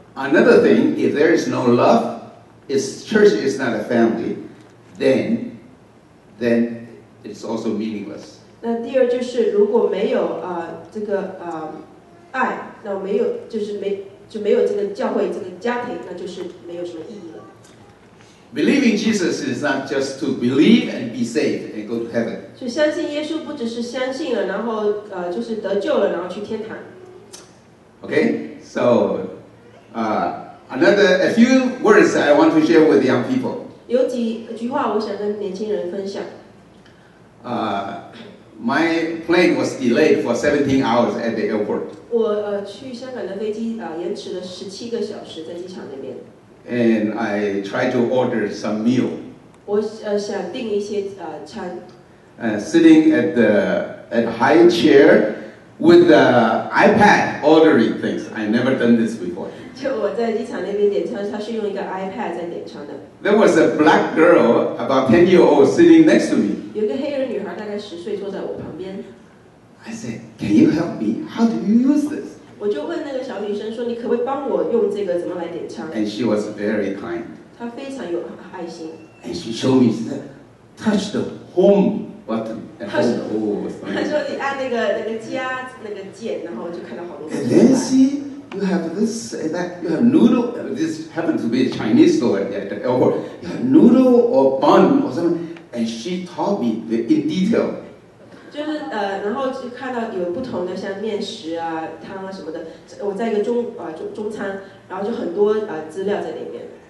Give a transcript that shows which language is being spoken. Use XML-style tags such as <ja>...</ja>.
<en>Another thing, if there is no love, if church is not a family, then it's also meaningless.</en> <zh>那第二就是如果没有这个爱，那没有就是没就没有这个教会这个家庭，那就是没有什么意义了。</zh> <en>Believing Jesus is not just to believe and be saved and go to heaven.</en> <zh>就相信耶稣不只是相信了，然后就是得救了，然后去天堂。</zh> <en>Okay, so a few words I want to share with young people.</en> <zh>有几句话我想跟年轻人分享。</zh> <en>My plane was delayed for 17 hours at the airport.</en> <zh>我去香港的飞机延迟了17个小时在机场那边。</zh> <en>And I tried to order some meal.</en> <zh>我想订一些餐。</zh> <en>Sitting at a high chair with the iPad ordering things. I never done this before.</en> <zh>就我在机场那边点餐，他是用一个 iPad 在点餐的。</zh> <en>There was a black girl about 10 years old sitting next to me.</en> <zh>有个黑人女孩大概十岁坐在我旁边。</zh> <en>I said, can you help me? How do you use this?</en> <zh>我就问那个小女生说，你可不可以帮我用这个怎么来点餐？</zh> <en>And she was very kind.</en> <zh>她非常有爱心。</zh> <en>And she showed me, she said, touch the home button.</en> <zh>她说，你按那个家那个键，然后就看到好多。</zh> <en>And then see, you have this and that. You have noodle. This happened to be a Chinese store at the airport. You have noodle or bun or something. And she taught me in detail.</en> <zh>就是然后就看到有不同的像面食啊、汤啊什么的。我在一个中餐，然后就很多资料在里面。</zh>